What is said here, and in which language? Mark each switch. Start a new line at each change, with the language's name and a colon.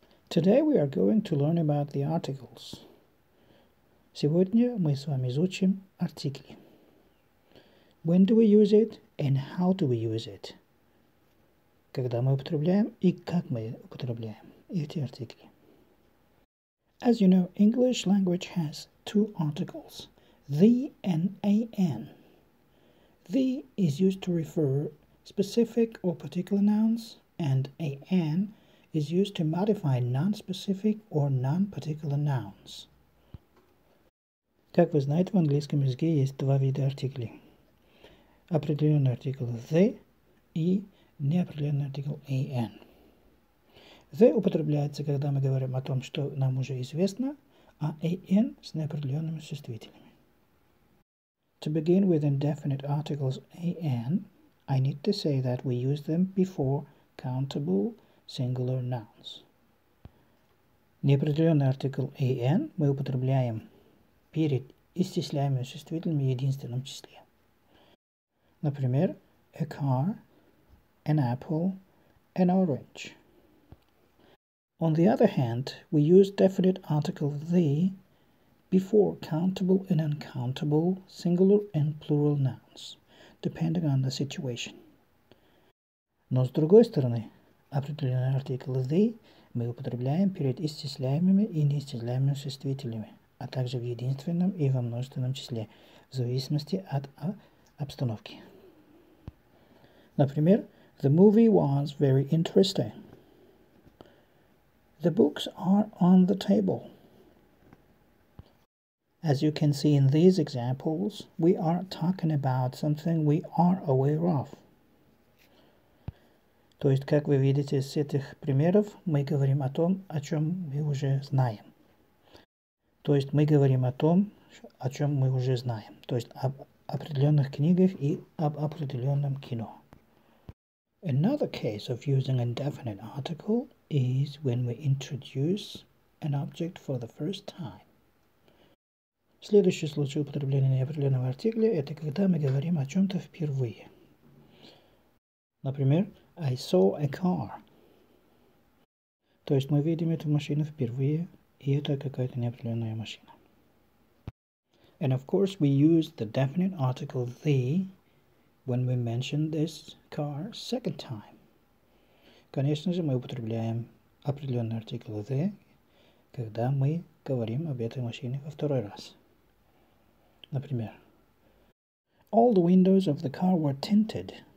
English: Today we are going to learn about the articles.
Russian: Сегодня мы с вами изучим артикли.
English: When do we use it and how do we use it?
Russian: Когда мы употребляем и как мы употребляем эти артикли?
English: As you know, English language has two articles, the and an. The is used to refer specific or particular nouns, and an is used to modify non-specific or non-particular nouns.
Russian: Как вы знаете, в английском языке есть два вида артиклей. Определенный артикл the и неопределенный артикл an. The употребляется, когда мы говорим о том, что нам уже известно, а an с неопределенными существителями.
English: To begin with indefinite articles an, I need to say that we use them before countable singular nouns.
Russian: Неопределенный артикл an мы употребляем перед исчисляемыми существителями в единственном числе.
English: Например, a car, an apple, an orange. On the other hand, we use definite article the before countable and uncountable singular and plural nouns, depending on the situation.
Russian: Но с другой стороны, определенный артикль the мы употребляем перед исчисляемыми и неисчисляемыми существителями, а также в единственном и во множественном числе, в зависимости от обстановки.
English: Например, the movie was very interesting. The books are on the table. As you can see in these examples, we are talking about something we are aware of.
Russian: То есть, как вы видите из этих примеров, мы говорим о том, о чем мы уже знаем. То есть, мы говорим о том, о чем мы уже знаем. То есть, об определенных книгах и об определенном кино.
English: Another case of using indefinite article is when we introduce an object for the first time.
Russian: Следующий случай употребления неопределенного артикля – это когда мы говорим о чем-то впервые.
English: Например, I saw a car.
Russian: То есть мы видим эту машину впервые, и это какая-то неопределенная машина.
English: And of course we use the definite article the when we mention this car second time.
Russian: Конечно же, мы употребляем определенный артикль the, когда мы говорим об этой машине во второй раз. Например,
English: all the windows of the car were tinted.